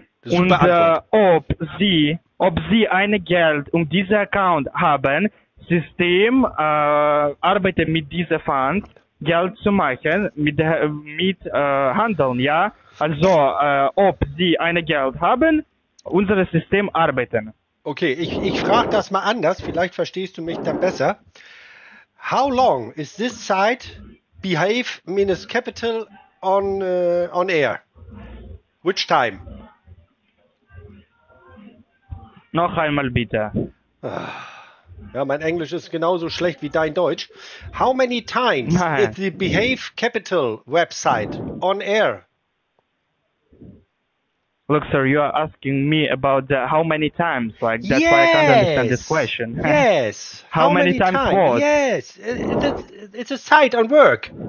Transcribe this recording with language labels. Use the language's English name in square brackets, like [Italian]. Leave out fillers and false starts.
[German] Und ob sie ein Geld um diesen Account haben, System arbeitet mit diesem Fund, Geld zu machen, mit Handeln, ja? Also ob sie ein Geld haben, unser System arbeitet. Okay, ich frage das mal anders. Vielleicht verstehst du mich dann besser. [English] How long is this site behave-capital on air? Which time? [German] Noch einmal bitte. Ja, mein Englisch ist genauso schlecht wie dein Deutsch. [English] How many times is the behave-capital website on air? Look, sir, you are asking me about how many times, like, that's why I can't understand this question. Yes, how many times time? What? Yes, it's a site on work.